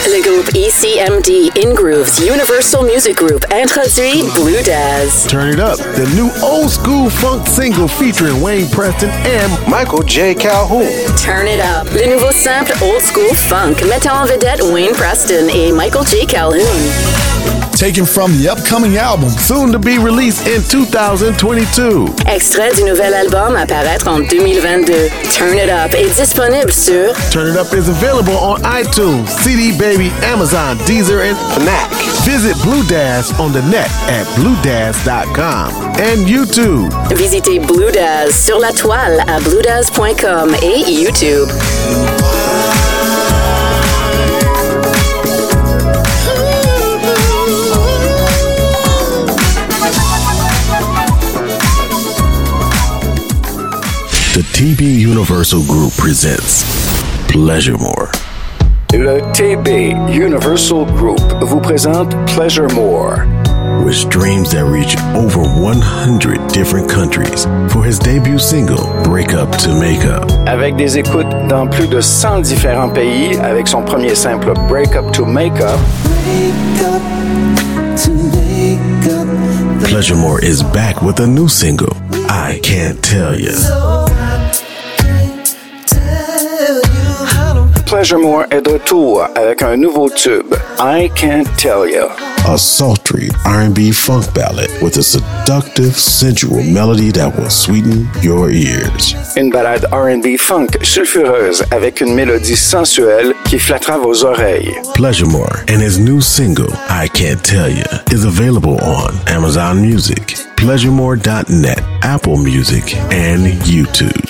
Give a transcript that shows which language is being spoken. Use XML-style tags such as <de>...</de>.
<fr>Le groupe ECMD In Grooves Universal Music Group introduit Blue Dad.</fr> <en>Turn It Up, the new old school funk single featuring Wayne Preston and Michael J. Calhoun.</en> <fr>Turn It Up, le nouveau sample old school funk mettant en vedette Wayne Preston et Michael J. Calhoun.</fr> <en>Taken from the upcoming album, soon to be released in 2022.</en> <fr>Extrait du nouvel album à paraître en 2022. Turn It Up est disponible sur...</fr> <en>Turn It Up is available on iTunes, CD Baby, Amazon, Deezer, and Fnac. Visit Blue Dazz on the net at bluedazz.com and YouTube.</en> <fr>Visitez Blue Dazz sur la toile à bluedazz.com et YouTube.</fr> <en>The TB Universal Group presents Pleasure More.</en> <fr>Le TB Universal Group vous présente Pleasure More.</fr> <en>With streams that reach over 100 different countries for his debut single, Break Up to Make Up.</en> <fr>Avec des écoutes dans plus de 100 différents pays, avec son premier simple, Break Up to Make Up.</fr> <en>Break up to make up. Pleasure More is back with a new single, I Can't Tell You.</en> <fr>Pleasure More est de retour avec un nouveau tube, I Can't Tell You.</fr> <en>A sultry R&B funk ballad with a seductive, sensual melody that will sweeten your ears.</en> <fr>Une balade R&B funk sulfureuse avec une mélodie sensuelle qui flattera vos oreilles.</fr> <en>Pleasure More and his new single, I Can't Tell You, is available on Amazon Music, PleasureMore.net, Apple Music, and YouTube.</en>